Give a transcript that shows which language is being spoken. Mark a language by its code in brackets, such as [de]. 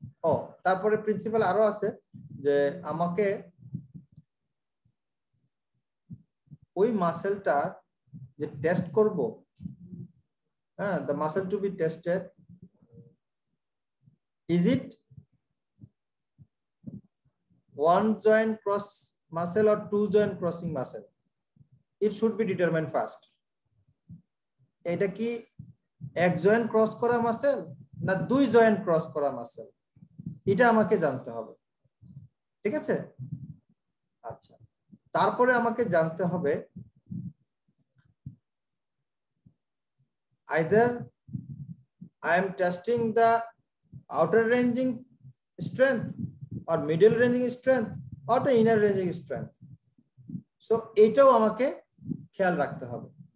[bn] ও, তারপরে প্রিন্সিপাল আরো আছে যে আমাকে ওই মাসেলটা যে টেস্ট করব, হ্যাঁ, [en] The muscle to be tested, is it one joint cross muscle or two joint crossing muscle, it should be determined first. [bn] এটা কি এক জয়েন্ট ক্রস করা মাসেল না দুই জয়েন্ট ক্রস করা মাসেল, এটা আমাকে জানতে হবে, ঠিক আছে? আচ্ছা, তারপরে আমাকে জানতে হবে [en] either I am testing the outer ranging strength [bn] আর middle ranging strength are the inner ranging strength, so এটাও আমাকে খেয়াল রাখতে হবে।